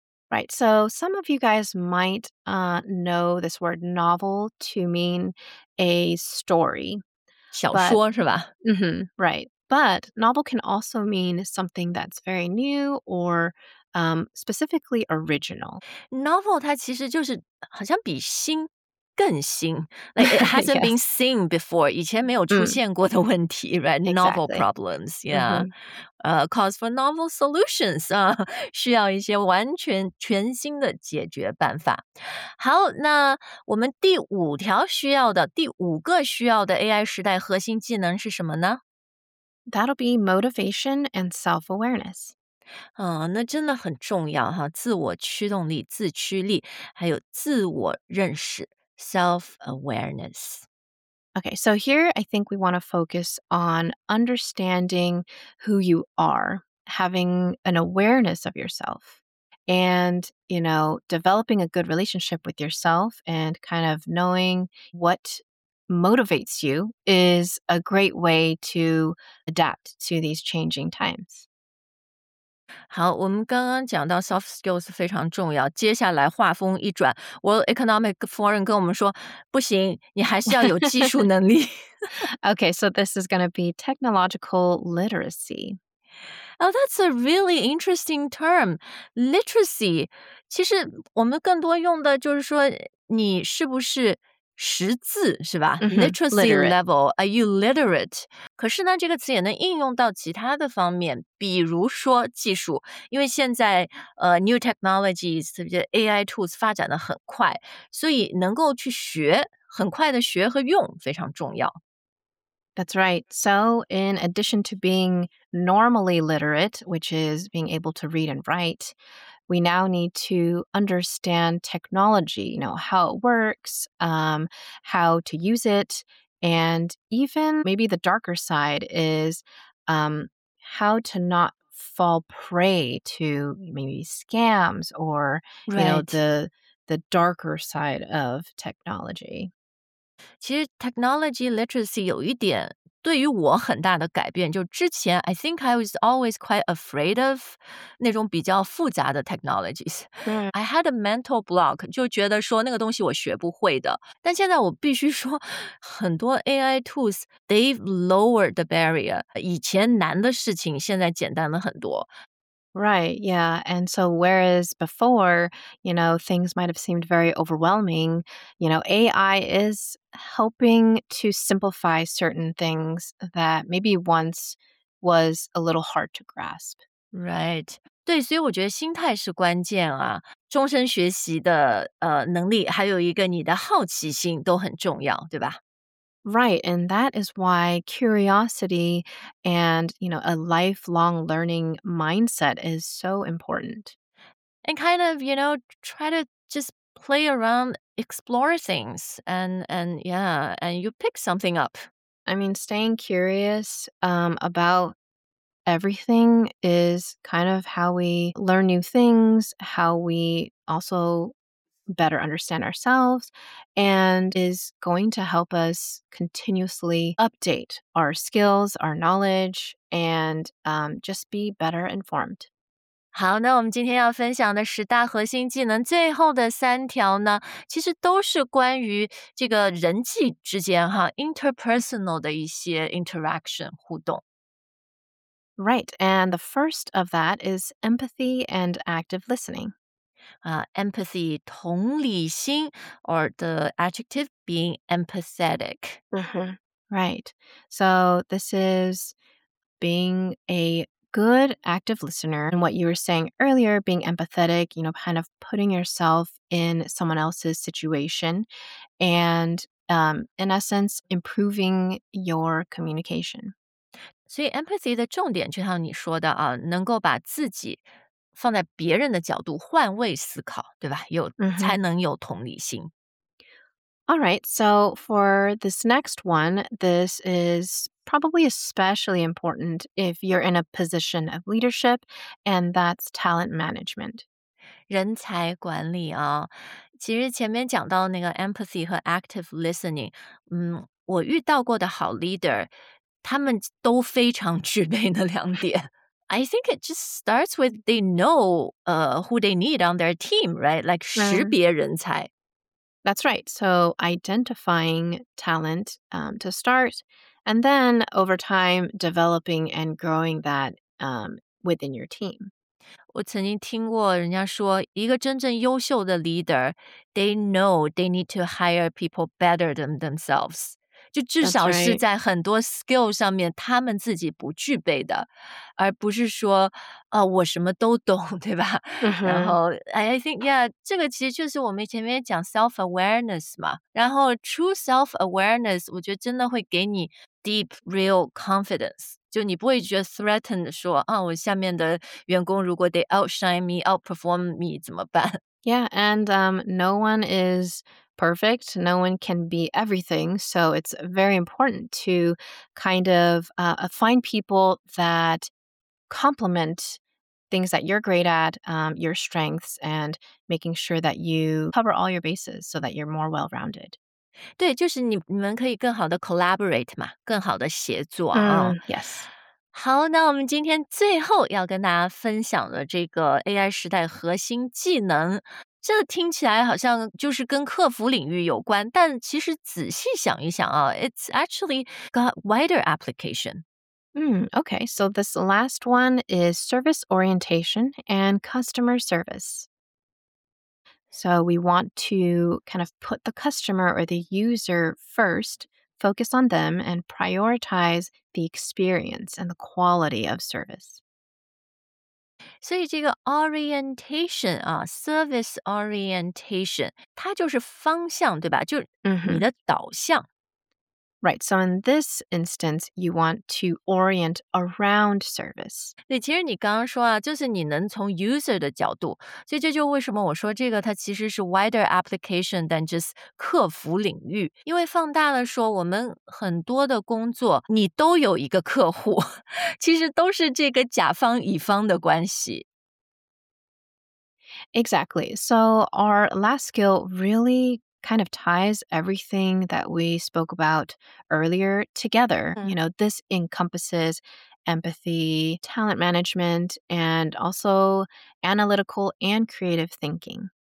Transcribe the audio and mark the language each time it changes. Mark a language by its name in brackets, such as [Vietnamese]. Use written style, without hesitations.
[English] Right, so some of you guys might know this word novel to mean a story. [Chinese] 小说是吧 [English] Mm-hmm, right. But novel can also mean something that's very new or specifically original. [Chinese] Novel 它其实就是好像比新更新 [English] Like it hasn't 、 been seen before. [Chinese] 以前没有出现过的问题、mm. [English] right? Novel、 exactly. problems. Yeah.、Mm-hmm. Calls for novel solutions. [Chinese] 需要一些完全全新的解决办法。好那我们第五条需要的第五个需要的 AI 时代核心技能是什么呢 [English] That'll be motivation and self-awareness. [Chinese] 那真的很重要哈自我驱动力自驱力还有自我认识。 [English] Self-awareness. Okay, so here I think we want to focus on understanding who you are, having an awareness of yourself, and, you know, developing a good relationship with yourself and kind of knowing what motivates you is a great way to adapt to these changing times. [Chinese] 好我们刚刚讲到 soft skills 非常重要接下来话锋一转 World Economic Forum 跟我们说不行你还是要有技术能力。 [English] Okay, so this is going to be technological literacy. Oh, that's a really interesting term. [Chinese] Literacy, 其实我们更多用的就是说你是不是识字是吧、 mm-hmm. [English] ？Literacy、 literate. level, are you literate? [Chinese] 可是呢，这个词也能应用到其他的方面，比如说技术，因为现在 [English] new technologies [Chinese] 特别 AI tools 发展的很快，所以能够去学，很快的学和用非常重要。 [English] That's right. So in addition to being normally literate, which is being able to read and write. We now need to understand technology, you know, how it works, how to use it, and even maybe the darker side is how to not fall prey to maybe scams or, right. you know, the darker side of technology. [Chinese] 其实 technology literacy 有一点对于我很大的改变，就之前 [English] I think I was always quite afraid of [Chinese] 那种比较复杂的 technologies.、 Mm. [English] I had a mental block, [Chinese] 就觉得说那个东西我学不会的。但现在我必须说，很多 AI tools [English] they've lowered the barrier. [Chinese] 以前难的事情现在简单了很多。 [English] Right, yeah. And so whereas before, you know, things might have seemed very overwhelming, you know, AI is helping to simplify certain things that maybe once was a little hard to grasp. Right. [Chinese] 对，所以我觉得心态是关键啊，终身学习的能力，还有一个你的好奇心都很重要，对吧？ [English] Right, and that is why curiosity and, you know, a lifelong learning mindset is so important. And kind of, you know, try to just play around, explore things, and yeah, and you pick something up. I mean, staying curious about everything is kind of how we learn new things, how we also better understand ourselves and is going to help us continuously update our skills, our knowledge, and just be better informed. [Chinese] 好，那我们今天要分享的十大核心技能最后的三条呢，其实都是关于这个人际之间哈 interpersonal 的一些 interaction 互动。 [English] Right, and the first of that is empathy and active listening. Empathy, [Chinese] 同理心 [English] or the adjective being empathetic. Mm-hmm. Right, so this is being a good active listener. And what you were saying earlier, being empathetic, you know, kind of putting yourself in someone else's situation and in essence, improving your communication. [Chinese] 所以 empathy 的重点就像你说的啊，能够把自己放在别人的角度换位思考，对吧？有、mm-hmm. 才能有同理心。 [English] All right, so for this next one, this is probably especially important if you're in a position of leadership, and that's talent management. [Chinese] 人才管理啊，其实前面讲到那个 empathy 和 active listening， 我遇到过的好 leader。他们都非常具备那两点。 [English] I think it just starts with they know who they need on their team, right? [Chinese] Like 识别人才。 [English] That's right. So identifying talent to start, and then over time developing and growing that within your team. [Chinese] 我曾经听过人家说，一个真正优秀的 [English] leader, they know they need to hire people better than themselves. [Chinese] 就至少是在很多 skill 上面他们自己不具备的、 [English] right. [Chinese] 而不是说、我什么都懂对吧、 mm-hmm. 然后 [English] I think yeah [Chinese] 这个其实就是我们前面讲 self-awareness 嘛然后 true self-awareness 我觉得真的会给你 [English] deep real confidence [Chinese] 就你不会觉得 threatened 说啊，我下面的员工如果 [English] they outshine me outperform me [Chinese] 怎么办 [English] yeah and no one isPerfect. No one can be everything. So it's very important to kind of find people that complement things that you're great at, your strengths, and making sure that you cover all your bases so that you're more well-rounded. [Chinese] 对，就是你们可以更好的 collaborate 嘛，更好的协作啊。 [English] Yes. [Chinese] 好，那我们今天最后要跟大家分享的这个 AI 时代核心技能。这听起来好像就是跟客服领域有关，但其实仔细想一想啊 ， [English] it's actually got wider application. Okay. So this last one is service orientation and customer service. So we want to kind of put the customer or the user first, focus on them, and prioritize the experience and the quality of service. [Chinese] 所以这个 orientation 啊 ，service orientation， 它就是方向，对吧？就是你的导向。 [English] Mm-hmm. Right. So in this instance, you want to orient around service. [Chinese] 对，其实你刚刚说啊，就是你能从 user 的角度，所以这就为什么我说这个它其实是 [English] wider application than just [Chinese] 客服领域，因为放大了说，我们很多的工作，你都有一个客户。其实都是这个甲方乙方的关系。 [English] Exactly. So our last skill really kind of ties everything that we spoke about earlier together. You know, this encompasses empathy, talent management, and also analytical and creative thinking.